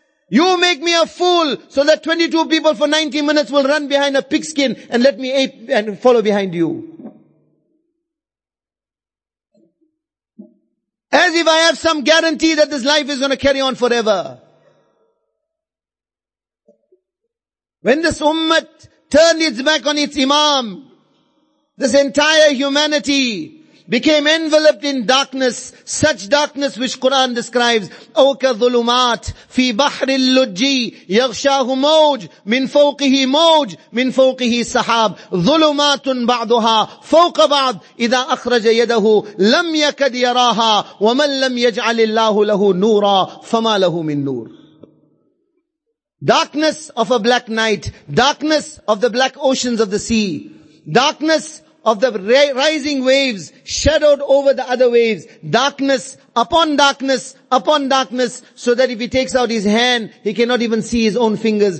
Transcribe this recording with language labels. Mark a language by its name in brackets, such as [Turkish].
[English] You make me a fool so that 22 people for 90 minutes will run behind a pigskin and let me ape and follow behind you. As if I have some guarantee that this life is going to carry on forever. When this ummah turned its back on its imam, this entire humanity became enveloped in darkness, such darkness which Quran describes, [Arabic] أَوْكَ ظُلُمَاتْ فِي بَحْرِ اللُّجِّ يَغْشَاهُ مَوْجْ مِنْ فَوْقِهِ مَوْجْ مِنْ فَوْقِهِ سَحَابْ ظُلُمَاتٌ بَعْضُهَا فَوْقَ بَعْضٍ إِذَا أَخْرَجَ يَدَهُ لَمْ يَكَدْ يَرَاهَا وَمَنْ لَمْ يَجْعَلِ اللَّهُ لَهُ نُورًا فَمَا لَهُ مِنْ نُورٍ. [English] Darkness of a black night, darkness of the black oceans of the sea, darkness of the rising waves shadowed over the other waves, darkness upon darkness upon darkness, so that if he takes out his hand, he cannot even see his own fingers.